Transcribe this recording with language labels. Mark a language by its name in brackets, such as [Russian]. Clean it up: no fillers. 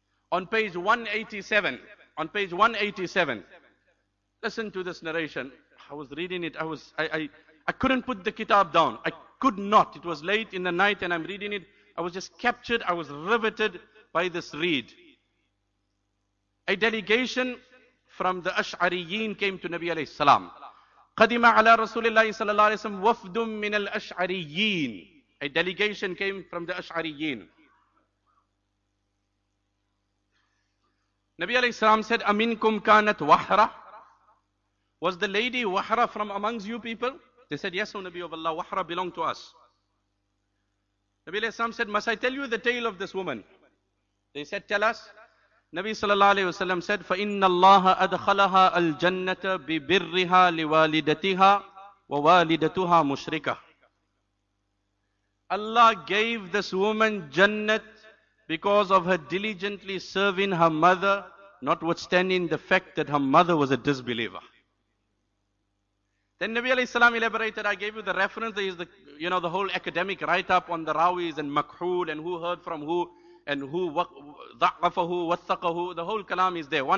[English] On page 187, on page 187, listen to this narration. I was reading it. I couldn't put the kitab down. I could not. It was late in the night and I'm reading it. I was just captured. I was riveted by this read. A delegation from the Ash'ariyin came to Nabi alayhi salam. [Arabic] قَدِمَ عَلَى رَسُولِ اللَّهِ صَلَى اللَّهِ عَلَيْهِ وَسَلَّمْ وَفْدٌ مِّنَ الْأَشْعَرِيِّينَ. [English] A delegation came from the Ash'ariyin. Nabi alayhi salam said, [Arabic] أَمِنْكُمْ كَانَتْ وَحْرَةً. [English] Was the lady Wahra from amongst you people? They said, yes, O Nabi of Allah, Wahra belonged to us. Nabi alayhi salam said, must I tell you the tale of this woman? They said, tell us. Nabi sallallahu alayhi wa sallam said, [Arabic] فَإِنَّ اللَّهَ أَدْخَلَهَا الْجَنَّةَ بِبِرِّهَا لِوَالِدَتِهَا وَوَالِدَتُهَا مُشْرِكَةً. [English] Allah gave this woman jannat because of her diligently serving her mother, notwithstanding the fact that her mother was a disbeliever. Then Nabi alayhi salam elaborated, I gave you the reference, there is the, you know, the whole academic write-up on the rawis and makhul and who heard from who and who dha'afahu, wathaqahu, the whole kalam is there.